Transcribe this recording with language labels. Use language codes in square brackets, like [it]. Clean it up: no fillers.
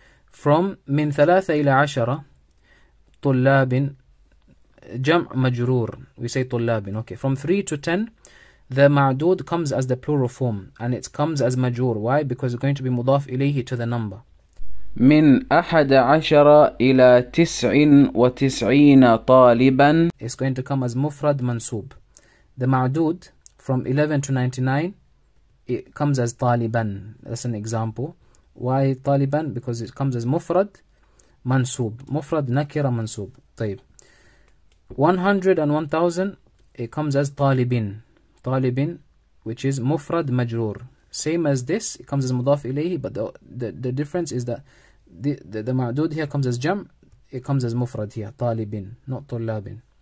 [en] From min thalatha ila ashara, tullabin, jam' majroor. We say tullabin, okay. From 3 to 10, the ma'dud comes as the plural form, and it comes as majroor. Why? Because it's going to be mudaf ilayhi, to the number. [ar] من أحد عشر إلى تسع وتسعين طالبا. [en] It's going to come as مفرد منصوب. The معدود from 11 to 99, it comes as طالبا. That's an example. Why طالبا? Because it comes as مفرد منصوب. [ar] مفرد نكرة منصوب. طيب. [en] 100 and 1000, it comes as طالبين. [ar] طالبين, which is مفرد مجرور. [en] Same as this, it comes as مضاف إليه, but the difference is that the ma'dud here comes as jam, it comes as mufrad here, talibin, not tullabin.